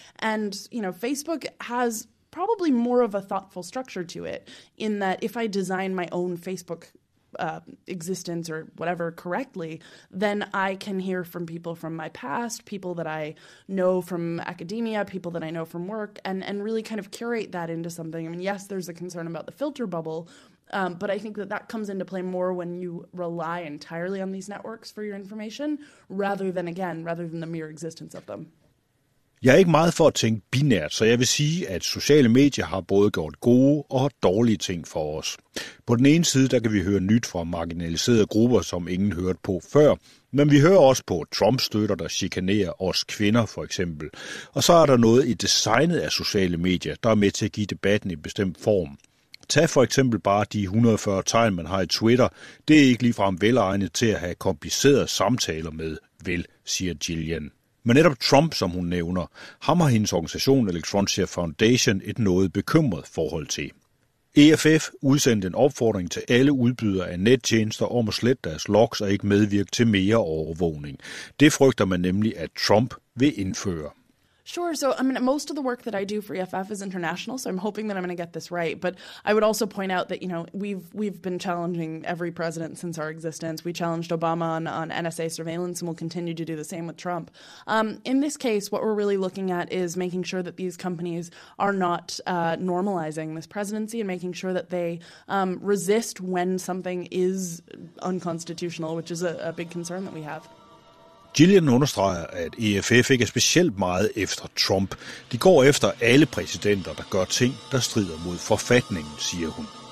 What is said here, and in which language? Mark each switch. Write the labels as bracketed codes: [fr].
[en] And, you know, Facebook has probably more of a thoughtful structure to it, in that if I design my own Facebook existence or whatever correctly, then I can hear from people from my past, people that I know from academia, people that I know from work, and really kind of curate that into something. I mean, yes, there's a concern about the filter bubble, but I think that that comes into play more when you rely entirely on these networks for your information rather than the mere existence of them. [da] Jeg er ikke meget for at tænke binært, så jeg vil sige, at sociale medier har både gjort gode og dårlige ting for os. På den ene side, der kan vi høre nyt fra marginaliserede grupper, som ingen hørte på før. Men vi hører også på Trump-støtter, der chikanerer os kvinder, for eksempel. Og så er der noget i designet af sociale medier, der er med til at give debatten en bestemt form. Tag for eksempel bare de 140 tegn, man har i Twitter. Det er ikke ligefrem velegnet til at have komplicerede samtaler med, vel, siger Gillian. Men netop Trump, som hun nævner, ham har hendes organisation Electronic Foundation et noget bekymret forhold til. EFF udsendte en opfordring til alle udbydere af nettjenester om at slette deres logs og ikke medvirke til mere overvågning. Det frygter man nemlig, at Trump vil indføre. [en] Sure. So, I mean, most of the work that I do for EFF is international, so I'm hoping that I'm going to get this right. But I would also point out that, you know, we've been challenging every president since our existence. We challenged Obama on NSA surveillance, and we'll continue to do the same with Trump. In this case, what we're really looking at is making sure that these companies are not normalizing this presidency and making sure that they resist when something is unconstitutional, which is a big concern that we have. [da] Gillian understreger, at EFF ikke er specielt meget efter Trump. De går efter alle præsidenter, der gør ting, der strider mod forfatningen, siger hun.